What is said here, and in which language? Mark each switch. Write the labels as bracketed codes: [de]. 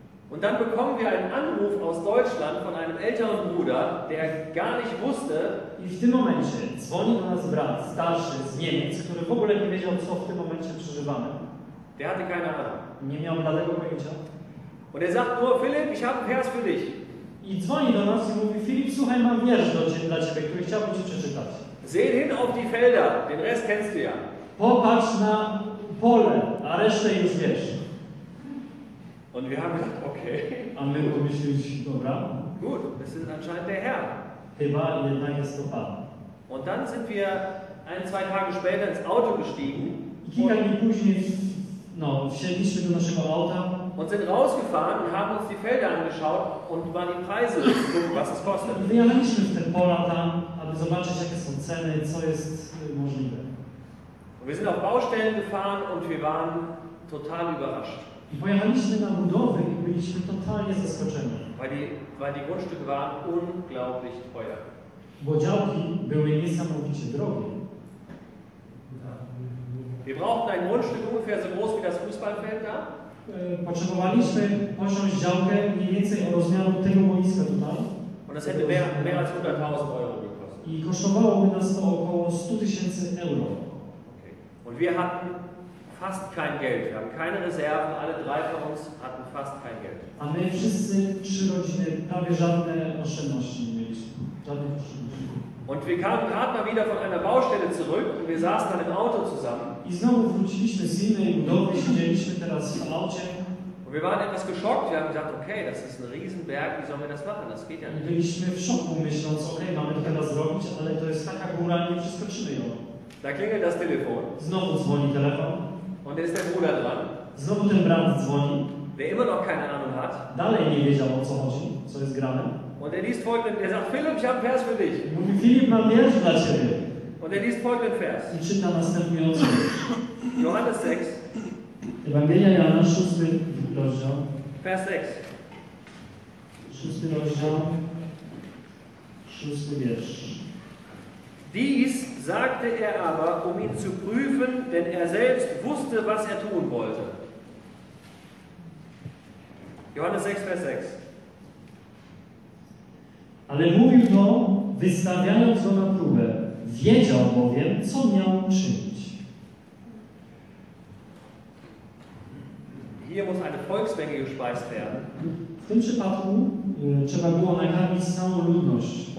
[de] Und dann bekommen wir einen Anruf aus Deutschland von einem älteren Bruder, der gar nicht wusste. [pl] I w tym momencie dzwoni do nas brat, starszy z Niemiec, który w ogóle nie wiedział, co w tym momencie przeżywamy. [de] Der hatte keine Ahnung. [pl] Nie miał żadnego pojęcia. [de] Und sagt nur, Philipp, ich habe Vers für dich. [pl] I dzwoni do nas i mówi, Philipp, słuchaj, mam wiersz dla ciebie, który chciałbym ci przeczytać. [de] Seht hin auf die Felder, den Rest kennst du ja. [pl] Popatrz na pole, a resztę już wiesz. [de] Und wir haben gesagt, okay. [pl] A my pomyśleliśmy, dobra. [de] Gut, es ist anscheinend der Herr. [pl] Chyba jednak jest to Pan. [de] Und dann sind wir ein, zwei Tage später ins Auto gestiegen. [pl] I kilka dni później wsiedliśmy do naszego auta. [de] Und sind rausgefahren und haben uns die Felder angeschaut und waren die Preise, was es kostet. [pl] Wyjechaliśmy w te pola tam, aby zobaczyć, jakie są ceny, co jest możliwe. [de] Und wir sind auf Baustellen gefahren und wir waren total überrascht. [pl] I pojechaliśmy na budowy i byliśmy totalnie zaskoczeni. [de] Weil die Grundstücke waren unglaublich teuer. [pl] Bo działki były niesamowicie drogie. [de] Wir brauchten ein Grundstück ungefähr so groß wie das Fußballfeld da. [pl] Potrzebowaliśmy posiąść działkę mniej więcej o rozmiaru tego boiska tutaj. [de] Und das hätte mehr als 100.000 Euro gekostet. [pl] I kosztowałoby nas to około 100 tysięcy euro. Okay. [de] Und wir hatten fast kein Geld. Wir haben keine Reserven. Alle drei von uns hatten fast kein Geld. [pl] A my wszyscy, trzy rodziny, prawie żadne oszczędności nie mieliśmy. Żadne oszczędności. [de] Und wir kamen gerade mal wieder von einer Baustelle zurück und wir saßen dann im Auto zusammen. [pl] I znowu wróciliśmy z innej budowy, siedzieliśmy teraz w aucie. [de] Und wir waren etwas geschockt. Wir haben gesagt, okay, das ist ein Riesenberg. Wie sollen wir das machen? Das geht ja nicht. [pl] Byliśmy w szoku, myśląc, okay, mamy to teraz zrobić, ale to jest taka góra, nie przeskoczymy ją. [de] Da klingelt das Telefon. [pl] Znowu dzwoni telefon. [de] Und [pl] jest ten [de] Bruder dran. [pl] Znowu ten brat dzwoni. [de] Der immer noch keine Ahnung hat. [pl] Dalej nie wiedział, o co chodzi, co jest grane. [de] Und er liest folgenden, er sagt, Philipp, ich habe Vers für dich. [pl] Mówi, Filip, mam wiersz dla ciebie. [de] Und er liest folgenden Vers. [pl] I czyta następujący. [de] Johannes 6. [pl] Ewangelia Jana, 6 rozdział. [de] Vers 6. [pl] 6 rozdział. 6 wiersz. [de] Dies sagte er aber, um ihn zu prüfen, denn er selbst wusste, was er tun wollte. Johannes 6, Vers 6. [pl] Ale mówił to, wystawiając go na próbę. Wiedział bowiem, co miał czynić. [de] Hier muss eine Volksmenge gespeist werden. [pl] W tym przypadku trzeba było nakarmić całą ludność.